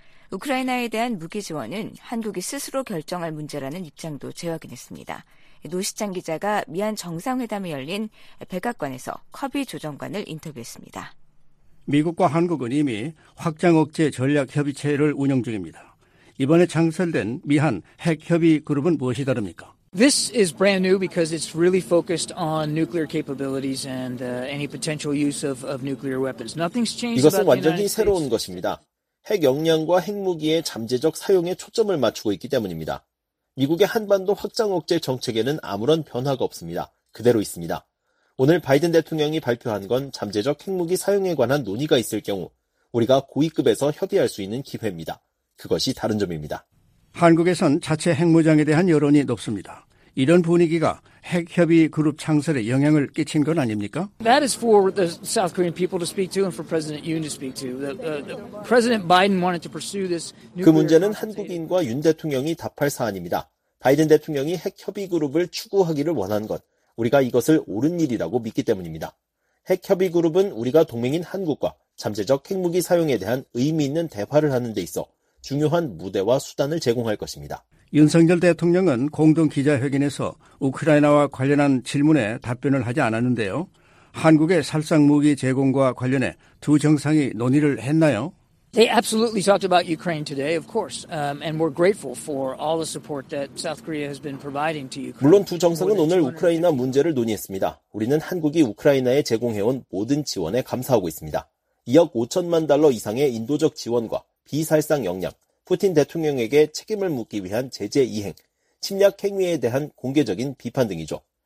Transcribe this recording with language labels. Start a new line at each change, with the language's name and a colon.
Korean: 우크라이나에 대한 무기 지원은 한국이 스스로 결정할 문제라는 입장도 재확인했습니다. 노시찬 기자가 미한 정상회담이 열린 백악관에서 커비 조정관을 인터뷰했습니다. 미국과 한국은 이미 확장 억제 전략협의체를 운영 중입니다. 이번에 창설된 미한 핵협의 그룹은 무엇이 다릅니까?
English: This is brand new because it's really focused on nuclear capabilities and any potential use of nuclear weapons. Nothing's changed about it.
Korean: 이것은 완전히 새로운 것입니다. 핵 역량과 핵무기의 잠재적 사용에 초점을 맞추고 있기 때문입니다. 미국의 한반도 확장 억제 정책에는 아무런 변화가 없습니다. 그대로 있습니다. 오늘 바이든 대통령이 발표한 건 잠재적 핵무기 사용에 관한 논의가 있을 경우 우리가 고위급에서 협의할 수 있는 기회입니다. 그것이 다른 점입니다. 한국에선 자체 핵무장에 대한 여론이 높습니다. 이런 분위기가 핵협의 그룹 창설에 영향을 끼친 건 아닙니까?
English: That is for the South Korean people to speak to and for President Yoon to speak to. President Biden wanted to pursue this.
Korean: 그 문제는 한국인과 윤 대통령이 답할 사안입니다. 바이든 대통령이 핵협의 그룹을 추구하기를 원한 것, 우리가 이것을 옳은 일이라고 믿기 때문입니다. 핵협의 그룹은 우리가 동맹인 한국과 잠재적 핵무기 사용에 대한 의미 있는 대화를 하는 데 있어 중요한 무대와 수단을 제공할 것입니다. 윤석열 대통령은 공동 기자회견에서 우크라이나와 관련한 질문에 답변을 하지 않았는데요. 한국의 살상 무기 제공과 관련해 두 정상이 논의를 했나요?
English: They absolutely talked about Ukraine today, of course, and we're grateful for all the support that South Korea has been providing to Ukraine.
Korean: 물론 두 정상은 오늘 우크라이나 문제를 논의했습니다. 우리는 한국이 우크라이나에 제공해온 모든 지원에 감사하고 있습니다. 2억 5천만 달러 이상의 인도적 지원과 비살상 역량, 푸틴 대통령에게 책임을 묻기 위한 제재 이행, 침략 행위에 대한 공개적인 비판 등이죠.